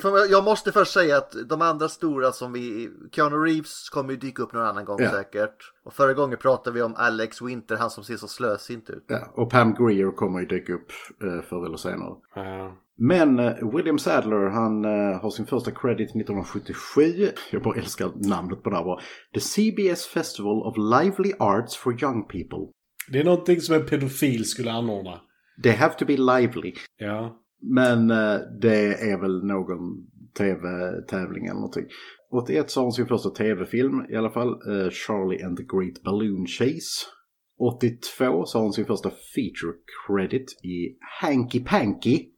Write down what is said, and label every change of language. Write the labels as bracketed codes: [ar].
[sv] Jag måste först säga att de andra stora som vi... Keanu Reeves kommer ju dyka upp någon annan gång säkert. Och förra gången pratade vi om Alex Winter, han som ser så slösigt ut. Ja, och Pam Grier kommer ju dyka upp förr eller senare. Men William Sadler, han har sin första credit 1977. Jag bara älskar namnet på det här. [en] The CBS Festival of Lively Arts for Young People. [sv] Det är någonting som en pedofil skulle anordna. [en] They have to be lively. [sv] Ja. Men det är väl någon tv-tävling eller någonting. 81 sa han sin första tv-film i alla fall. Charlie and the Great Balloon Chase. 82 sa han sin första feature credit i Hanky Panky.